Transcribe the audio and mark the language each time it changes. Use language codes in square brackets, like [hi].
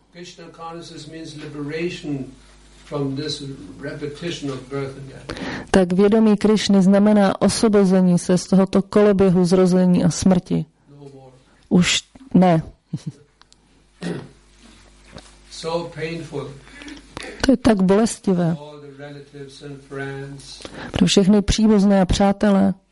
[en] Krishna consciousness means liberation from this repetition of birth and death. [cs] Tak vědomí Krišny znamená osvobození se z tohoto koloběhu zrození a smrti. [en] No more. [cs] Už ne. [en] So painful. [cs] To je tak bolestivé. [en] All the relatives and friends. [cs] Pro všechny příbuzné a přátelé.